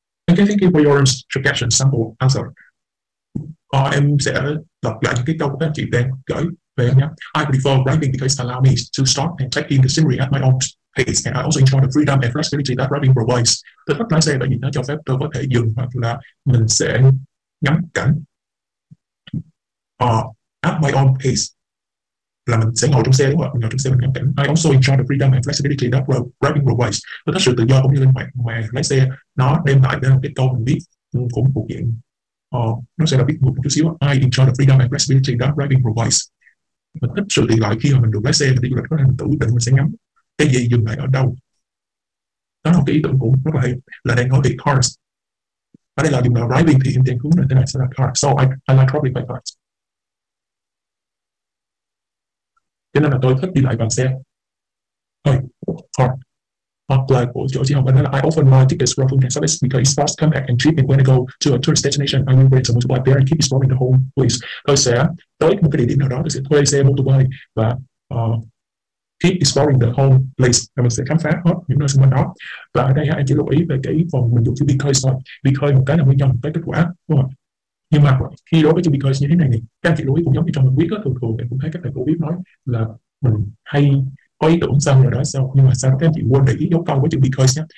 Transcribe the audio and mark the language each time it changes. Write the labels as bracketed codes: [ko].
[en] Okay, thank you for your suggestion sample answer. [vi] Em sẽ đọc lại những cái câu các chị đang gửi về em nhé. [en] I prefer driving because it allows me to stop and check in the scenery at my own pace, and I also enjoy the freedom and flexibility that driving provides. [vi] Tôi thích lái xe bởi vì nó cho phép tôi có thể dừng hoặc là mình sẽ ngắm cảnh [en] at my own pace. [vi] Là mình sẽ ngồi trong xe đúng không ạ? Ngồi trong xe mình ngắm cảnh. [en] I also enjoy the freedom and flexibility that driving provides. [vi] Tôi thích sự tự do cũng như linh hoạt mà lái xe nó đem lại. Đây là cái câu mình biết cũng thuộc diện nó sẽ là biết một chút xíu. [en] I enjoy the freedom and flexibility that driving provides. [vi] Mình thích sự tự lại khi mà mình được lái xe, mình đi du lịch, có thể mình tự định mình sẽ ngắm cái gì dừng lại ở đâu. Đó là một cái ý tưởng cũng rất là hay. Là đang nói về cars. Ở đây là điểm nào driving thì em đang hướng lên thế này sẽ là cars. [en] So I like driving by cars. [vi] Cho nên là tôi thích đi lại bằng xe. Thôi, hard. Hoặc là của chỗ chị Hồng Anh là [en] I often buy tickets for public transport because it's fast, compact and cheap, and when I go to a tourist destination, I will rent a motorbike there and keep exploring the whole place. [vi] Tôi sẽ tới một cái địa điểm nào đó, tôi sẽ thuê xe motorbike và [en] keep exploring the whole place. [vi] Và mình sẽ khám phá hết những nơi xung quanh đó. Và ở đây anh chỉ lưu ý về cái phần mình dùng chữ because thôi. Because một cái là nguyên nhân, một cái kết quả. Đúng không? Nhưng mà khi đối với chữ because như thế này thì các anh chị lưu ý cũng giống như trong mình biết đó, thường thường em cũng thấy các thầy cô biết nói là mình hay có ý tưởng sao rồi đó sao, nhưng mà sau đó các anh chị quên để ý dấu câu với chữ because nhé.